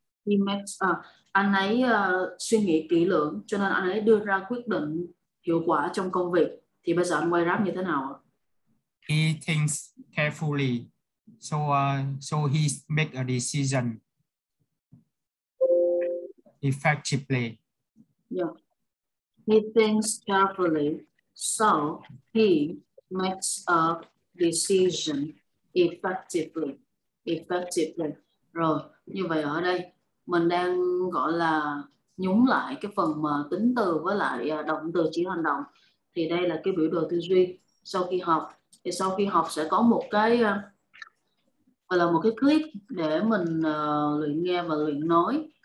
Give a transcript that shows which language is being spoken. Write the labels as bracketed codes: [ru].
[en] He makes [vi] anh ấy suy nghĩ kỹ lưỡng cho nên anh ấy đưa ra quyết định hiệu quả trong công việc. Thì bây giờ anh quay ráp như thế nào? [en] He thinks carefully. So he makes a decision effectively. Yeah. He thinks carefully. So he makes a decision effectively. [vi] Rồi, như vậy ở đây mình đang gọi là nhúng lại cái phần mà tính từ với lại động từ chỉ hành động. Thì đây là cái biểu đồ tư duy. Sau khi học thì sau khi học sẽ có một cái gọi là một cái clip để mình luyện nghe và luyện nói.